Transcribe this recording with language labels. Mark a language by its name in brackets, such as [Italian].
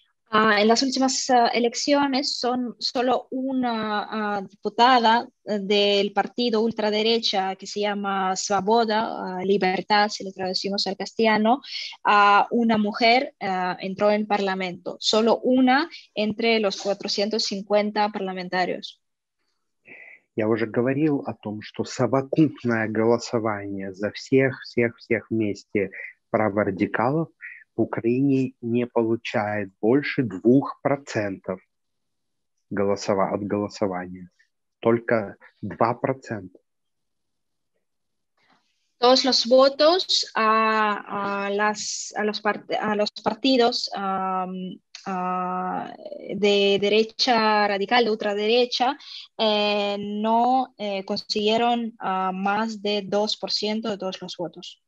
[Spanish] En las últimas elecciones son solo una diputada del partido ultraderecha que se llama Svoboda, Libertad, si lo traducimos al castellano, una mujer entró en parlamento, solo una entre los 450 parlamentarios. [Russian] Я уже говорил о том, что совокупное голосование за всех вместе праворадикалов в Украине не получает больше 2% от голосования. Только 2%. [Spanish] Todos los votos a los partidos de derecha radical, de ultraderecha, no consiguieron más de 2% de todos los votos.